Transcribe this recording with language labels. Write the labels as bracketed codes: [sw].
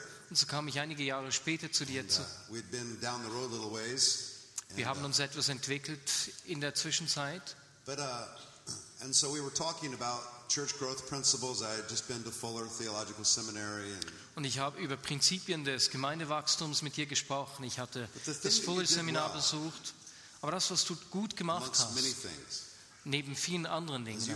[de] Und so kam ich einige Jahre später zu dir zu. Wir haben uns etwas entwickelt in der Zwischenzeit. [en] And so we were talking about church growth principles. I had just been to Fuller Theological Seminary. [de] Und ich habe über Prinzipien des Gemeindewachstums mit dir gesprochen. Ich hatte das Fuller Seminar besucht. Aber das, was du gut gemacht hast, neben vielen anderen Dingen